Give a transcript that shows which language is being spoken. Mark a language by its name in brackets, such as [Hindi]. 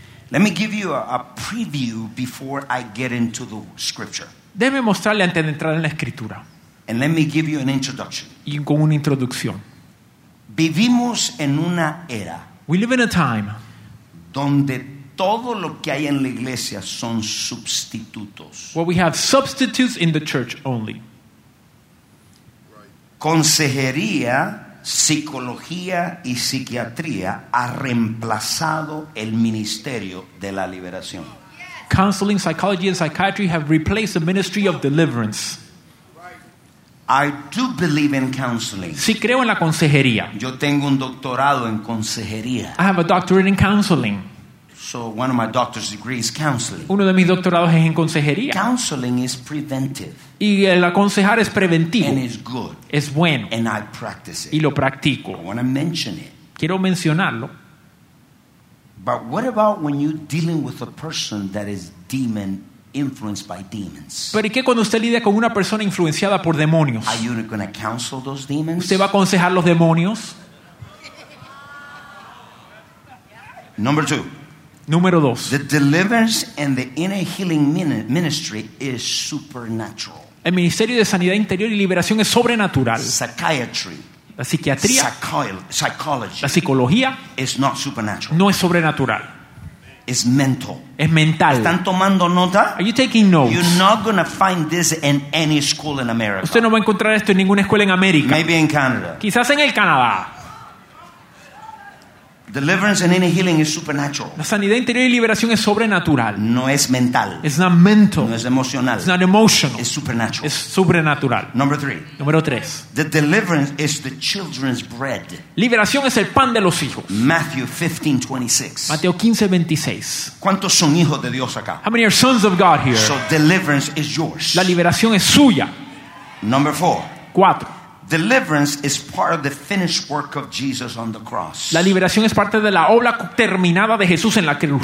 [English] Let me give you a preview before I get into the scripture. [Spanish] Déjeme mostrarle antes de entrar en la escritura. [English] And let me give you an introduction. [Spanish] Y con una introducción. Vivimos en una era. [English] We live in a time [Spanish] donde todo lo que hay en la iglesia son sustitutos. [English] Where we have substitutes in the church only. [Spanish] Consejería, psicología y psiquiatría ha reemplazado el ministerio de la liberación. [English] Counseling, psychology and psychiatry have replaced the ministry of deliverance. I do believe in counseling. [Spanish] Sí, creo en la consejería. Yo tengo un doctorado en consejería. [English] I have a doctorate in counseling. So one of my doctor's degrees is counseling. [Spanish] Uno de mis doctorados es en consejería. [English] Counseling is preventive. [Spanish] Y el aconsejar es preventivo. [English] And it's good. [Spanish] Es bueno. [English] And I practice it. [Spanish] Y lo practico. [English] I want to mention it. [Spanish] Quiero mencionarlo. [English] But what about when you're dealing with a person that is demon influenced by demons? [Spanish] ¿Pero qué cuando usted lidia con una persona influenciada por demonios? [English] Are you going to counsel those demons? [Spanish] ¿Usted va a aconsejar los demonios? [English] Number two. [Spanish] Número dos. [English] The deliverance and the inner healing ministry is supernatural. [Spanish] El ministerio de sanidad interior y liberación es sobrenatural. [English] Psychiatry. [Spanish] La psiquiatría. [English] Psychology. [Spanish] La psicología. [English] Is not supernatural. [Spanish] No es sobrenatural. [English] Is mental. [Spanish] Es mental. ¿Están tomando nota? [English] Are you taking notes? You're not going to find this in any school in America. [Spanish] Usted no va a encontrar esto en ninguna escuela en América. [English] Maybe in Canada. [Spanish] Quizás en el Canadá. [English] Deliverance and inner healing is supernatural. [Spanish] La sanidad interior y liberación es sobrenatural. No es mental. [English] It's not mental. [Spanish] No es emocional. [English] It's not emotional. [Spanish] Es supernatural. Es sobrenatural. [English] Number three. [Spanish] Número tres. [English] The deliverance is the children's bread. [Spanish] Liberación es el pan de los hijos. [English] Matthew 15:26. [Spanish] Mateo 15:26. ¿Cuántos son hijos de Dios acá? [English] How many are sons of God here? So deliverance is yours. [Spanish] La liberación es suya. [English] Number four. [Spanish] Cuatro. [English] Deliverance is part of the finished work of Jesus on the cross. [Spanish] La liberación es parte de la obra terminada de Jesús en la cruz.